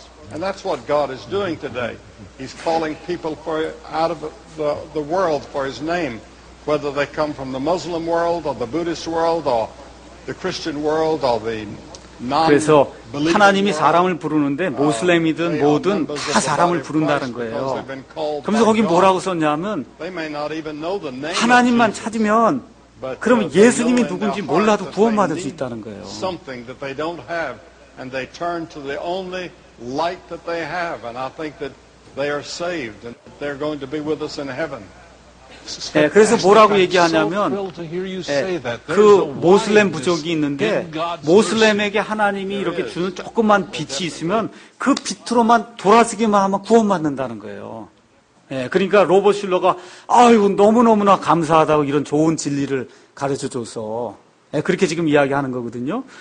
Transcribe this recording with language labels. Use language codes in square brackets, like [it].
[en] And that's what God is doing today. He's calling people out of the world for His name, whether they come from the Muslim world or the Buddhist world or the Christian world or the non-believing. [ko] 그래서 하나님이 사람을 부르는데 모슬렘이든 뭐든 다 사람을 부른다는 거예요. 그러면서 거기 뭐라고 썼냐면 하나님만 찾으면 그러면 예수님이 누군지 몰라도 구원받을 수 있다는 거예요. [en] Something that they don't have and they turn to the only light that they have and I think that they are saved and they're going to be with us in heaven. [ko] 예, 그래서 뭐라고 얘기하냐면 예, 그 모슬렘 부족이 있는데 모슬렘에게 하나님이 이렇게 주는 조그만 빛이 있으면 그 빛으로만 돌아서기만 하면 구원받는다는 거예요. 예, 그러니까 로버 슐러가 아이고 너무너무나 감사하다고 이런 좋은 진리를 가르쳐 줘서 예, 그렇게 지금 이야기하는 거거든요.